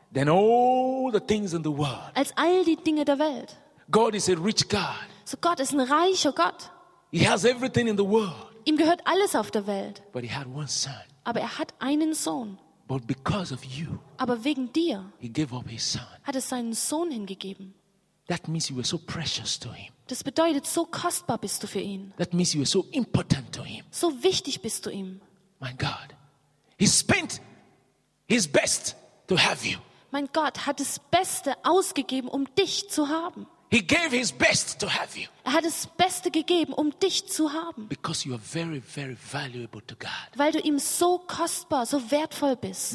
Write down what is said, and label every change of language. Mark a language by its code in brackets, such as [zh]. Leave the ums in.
[en] Than all the things in the world. [de] Als all die Dinge der Welt. [en] God is a rich God. [de] So Gott ist ein reicher Gott. Ihm gehört alles auf der Welt. [en] But he had one son. [de] Aber er hat einen Sohn. [en] But because of you, [de] Aber wegen dir [en] he gave up his son. [de] hat er seinen Sohn hingegeben. [en] That means you were so precious to him. [de] Das bedeutet, so kostbar bist du für ihn. [en] That means you were so, important to him. [de] so, wichtig bist du ihm. [en] My God. He spent his best to have you. [de] Mein Gott, er hat das Beste ausgegeben, um dich zu haben. [en] He gave his best to have you. [de] Er hat das Beste gegeben, um dich zu haben. [en] Because you are very, very valuable to God. [de] Weil du ihm so kostbar, so wertvoll bist.